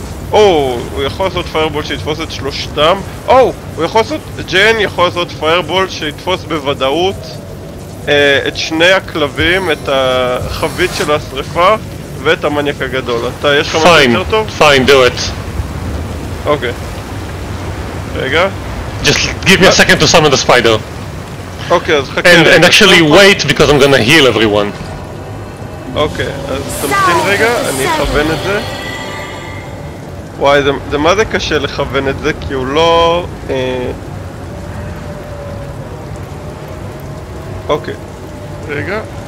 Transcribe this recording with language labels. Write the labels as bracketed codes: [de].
[he] הוא יכול לעשות פיירבול שיתפוס את שלושתם. הוא יכול לעשות... ג'יין יכול לעשות פיירבול שיתפוס בוודאות את שני הכלבים, את החבית של השריפה. ואת המניאק הגדול, אתה יש לך משהו יותר טוב? [en] Fine, do it. [he] אוקיי. רגע. [en] Just give me a second to summon the spider. [he] אוקיי, אז חכה. [en] And actually wait, because I'm gonna heal everyone. [he] אוקיי, אז תמתין רגע, אני אכוון את זה. וואי, זה מה זה קשה לכוון את זה, כי הוא לא... אוקיי. רגע.